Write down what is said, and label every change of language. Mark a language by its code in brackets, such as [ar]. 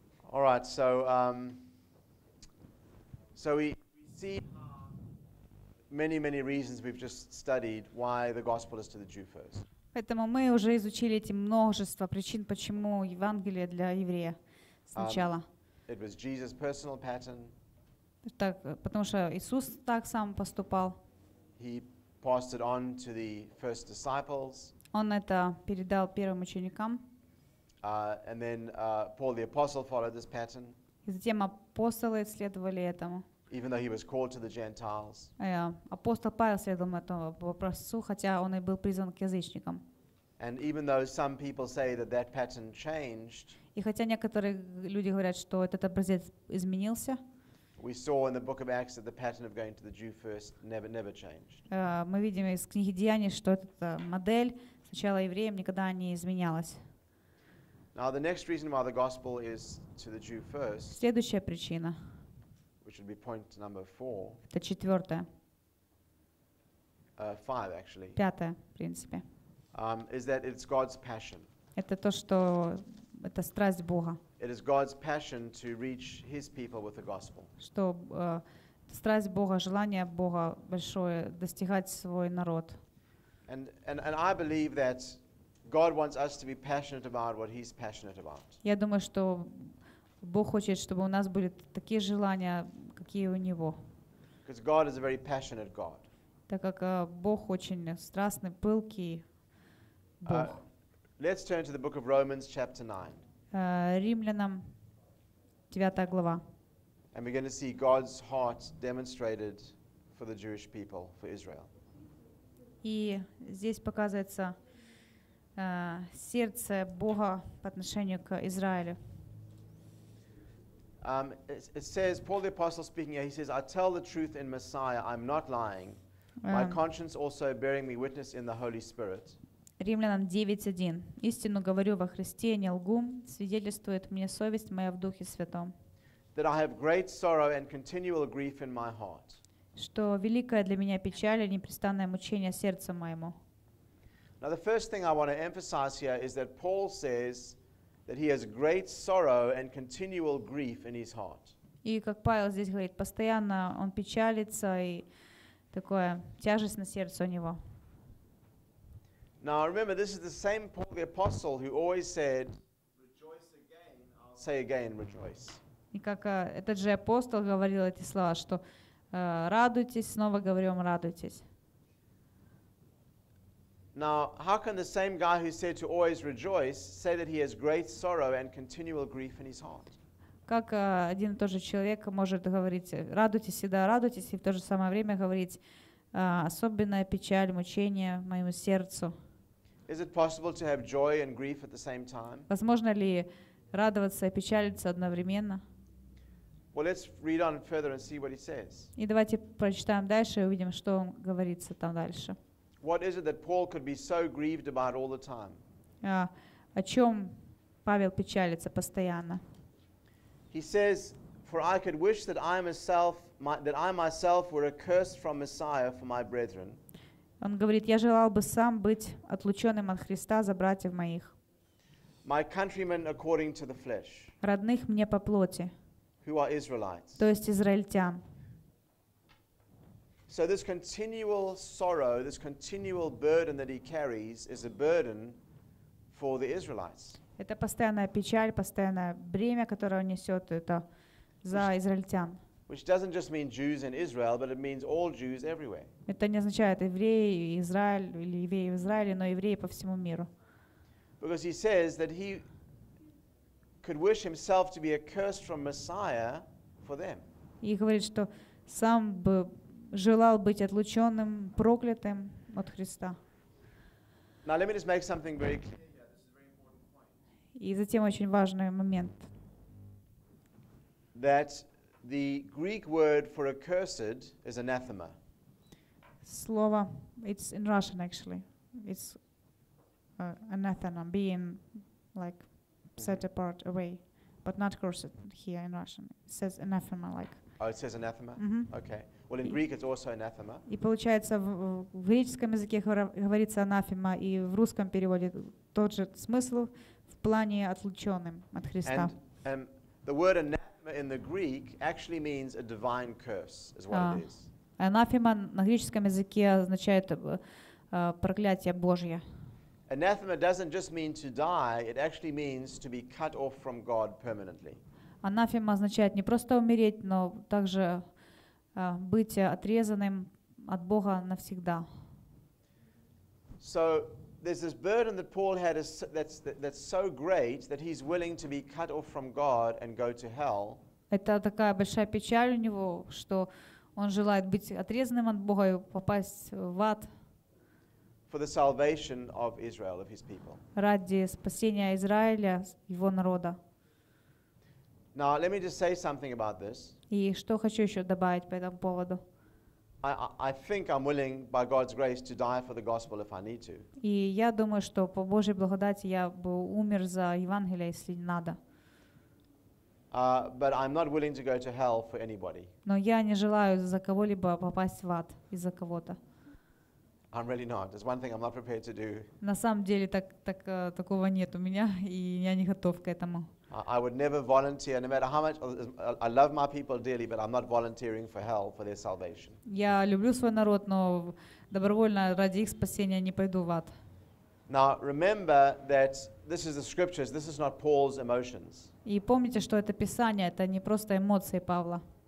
[en] All right, so so we see many, many reasons we've just studied why the gospel is to the Jew first. [ru] Поэтому мы уже изучили эти множество причин, почему Евангелие для еврея сначала. [en] It was Jesus' personal pattern. [ru] Так, потому что Иисус так сам поступал. [en] He passed it on to the first disciples. [ru] Он это передал первым ученикам. [en] And then Paul the apostle followed this pattern. [ru] И затем апостолы следовали этому. [en] Even though he was called to the Gentiles. [ru] Апостол Павел следовал этому вопросу, хотя он и был призван к язычникам. [en] And even though some people say that that pattern changed. [ru] И хотя некоторые люди говорят, что этот образец изменился. [en] We saw in the book of Acts that the pattern of going to the Jew first never changed. [ru] Мы видим из книги Деяний, что эта модель сначала евреям никогда не изменялась. [en] Now the next reason why the gospel is to the Jew first. [ru] Следующая причина. [en] Which would be point number four. [ru] Это четвертая. [en] Five actually. [ru] Пятая, в принципе. [en] Is that it's God's passion. [ru] Это то, что это страсть Бога. [en] It is God's passion to reach His people with the gospel. [ru] Что страсть Бога, желание Бога большое достигать свой народ. [en] And I believe that God wants us to be passionate about what He's passionate about. [ru] Я думаю, что Бог хочет, чтобы у нас были такие желания, какие у Него. [en] Because God is a very passionate God. [ru] Так как Бог очень страстный, пылкий Бог. [en] Let's turn to the book of Romans, chapter 9. [ru] Римлянам 9 глава. [en] And we're going to see God's heart demonstrated for the Jewish people, for Israel. [ru] И здесь показывается сердце Бога по отношению к Израилю. [en] It says Paul the apostle speaking here. He says, "I tell the truth in Messiah. I'm not lying. My conscience also bearing me witness in the Holy Spirit." [ru] Римлянам 9:1. Истину говорю во Христе, не лгу, свидетельствует мне совесть моя в Духе Святом. [en] That I have great sorrow and continual grief in my heart. [ru] Что великая для меня печаль и непрестанное мучение сердца моему. [en] Now the first thing I want to emphasize here is that Paul says that he has great sorrow and continual grief in his heart. [ru] И как Павел здесь говорит, постоянно он печалится и такое тяжесть на сердце у него. [en] Now remember, this is the same Paul the apostle who always said, "Rejoice again, I'll say again, rejoice." [ru] И как этот же апостол говорил эти слова, что радуйтесь, снова говорю вам, радуйтесь. [en] Now, how can the same guy who said to always rejoice say that he has great sorrow and continual grief in his heart? [ru] Как один и тот же человек может говорить, радуйтесь всегда, радуйтесь, и в то же самое время говорить особенная печаль, мучение моему сердцу? [en] Is it possible to have joy and grief at the same time? [ru] Возможно ли радоваться и печалиться одновременно? [en] Well, let's read on further and see what he says. [ru] И давайте прочитаем дальше и увидим, что он говорится там дальше. [en] What is it that Paul could be so grieved about all the time? [ru] О чем Павел печалится постоянно? [en] He says, "For I could wish that I myself were accursed from Messiah for my brethren." [ru] Он говорит, я желал бы сам быть отлученным от Христа за братьев моих. [en] My countrymen according to the flesh. [ru] Родных мне по плоти. [en] Who are Israelites. [ru] То есть израильтян. [en] So this continual sorrow, this continual burden that he carries is a burden for the Israelites. [ru] Это постоянная печаль, постоянное бремя, которое он несет, это за израильтян. [en] Which doesn't just mean Jews in Israel, but it means all Jews everywhere. [ru] Это не означает евреи в Израиле или евреи в Израиле, но евреи по всему миру. [en] Because he says that he could wish himself to be accursed from Messiah for them. [ru] И говорит, что сам бы желал быть отлученным, проклятым от Христа. [en] Now let me just make something very clear. Yeah, this is a very important point. [ru] И затем очень важный момент. [en] That the Greek word for accursed is anathema. Слово, it's in Russian actually. It's anathema, being like set apart, away, but not cursed here in Russian. It says anathema, like. Oh, it says anathema. Mm-hmm. Okay. Well, in Greek, it's also anathema. [ru] И получается в греческом языке говорится анафема, и в русском переводе тот же смысл в плане отлученным от Христа. [en] And The word anathema in the Greek actually means a divine curse, is what it is. [ru] Анафема на греческом языке означает проклятие Божье. [en] Anathema doesn't just mean to die, it actually means to be cut off from God permanently. [ru] Анафема означает не просто умереть, но также быть отрезанным от Бога навсегда. [en] So there's this burden that Paul had that's so great that he's willing to be cut off from God and go to hell. [ru] Это такая большая печаль у него, что он желает быть отрезанным от Бога и попасть в ад. [en] For the salvation of Israel, of his people. [ru] Ради спасения Израиля, его народа. [en] Now, let me just say something about this. [ru] И что хочу еще добавить по этому поводу. [en] I think I'm willing, by God's grace, to die for the gospel if I need to. [ru] И я думаю, что по Божьей благодати я бы умер за Евангелие, если надо. [en] But I'm not willing to go to hell for anybody. [ru] Но я не желаю за кого-либо попасть в ад из-за кого-то. [en] I'm really not. There's one thing I'm not prepared to do. [ru] На самом деле такого нет у меня, и я не готов к этому. [en] I would never volunteer, no matter how much I love my people dearly, but I'm not volunteering for hell for their salvation. [ru] Я люблю свой народ, но добровольно ради их спасения не пойду в ад. [en] Now remember that this is the scriptures. This is not Paul's emotions. И помните, что это Писание, это не просто эмоции Павла.